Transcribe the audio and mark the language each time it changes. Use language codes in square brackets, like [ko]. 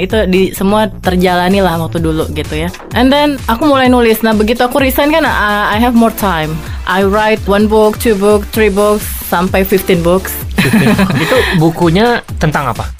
[id] Itu di semua terjalani lah waktu dulu gitu ya. [en] And then [id] aku mulai nulis. Nah begitu aku resign kan, [en] I have more time. I write 1 book, 2 books, 3 books, [id] sampai [en] 15 books. [id] Itu bukunya tentang apa?